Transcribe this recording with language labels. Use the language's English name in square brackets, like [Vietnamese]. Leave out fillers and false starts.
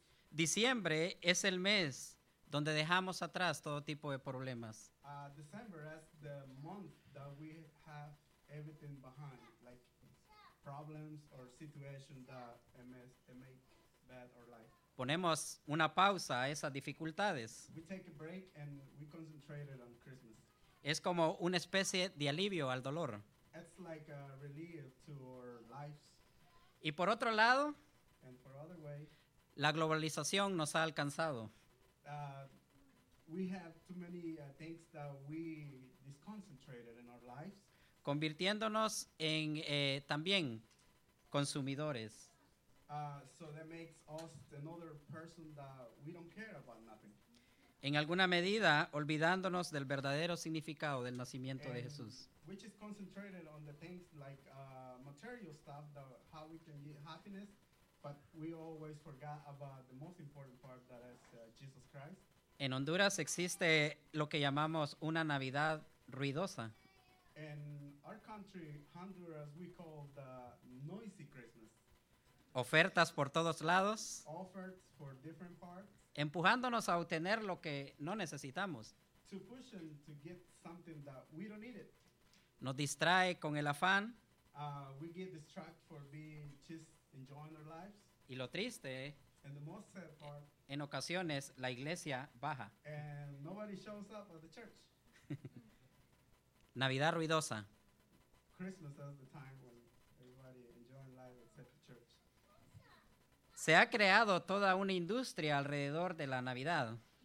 [Spanish] Diciembre es el mes donde dejamos atrás todo tipo de problemas. [English] December is the month that we have everything behind, like problems or situations that make bad our life. [Spanish] Ponemos una pausa a esas dificultades. [English] We take a break and we concentrate on Christmas. [Spanish] Es como una especie de alivio al dolor. [English] It's like a relief to our lives. [Spanish] Y por otro lado, [English] and for other way, [Spanish] la globalización nos ha alcanzado. [English] We have too many things that we disconcentrated in our lives. [Spanish] Convirtiéndonos en también consumidores. [English] So that makes us another person that we don't care about nothing. [Spanish] En alguna medida, olvidándonos del verdadero significado del nacimiento de Jesús. [English] Which is concentrated on the things like material stuff, how we can get happiness, but we always forgot about the most important part, that is Jesus Christ. [Spanish] En Honduras existe lo que llamamos una Navidad ruidosa. [English] In our country, Honduras, we call the noisy Christmas. [Spanish] Ofertas por todos lados. [English] Offers for different parts. [Spanish] Empujándonos a obtener lo que no necesitamos. [English] To push and to get something that we don't need it. [Spanish] Nos distrae con el afán. [English] We get distracted for being just enjoying our lives. [Spanish] Y lo triste, [English] and the most sad part, [Spanish] en ocasiones la iglesia baja. [English] And nobody shows up at the church. [Spanish] Navidad ruidosa. [English] Christmas is the time when everybody enjoys life except the church. [Spanish] Se ha creado toda una industria alrededor de la Navidad.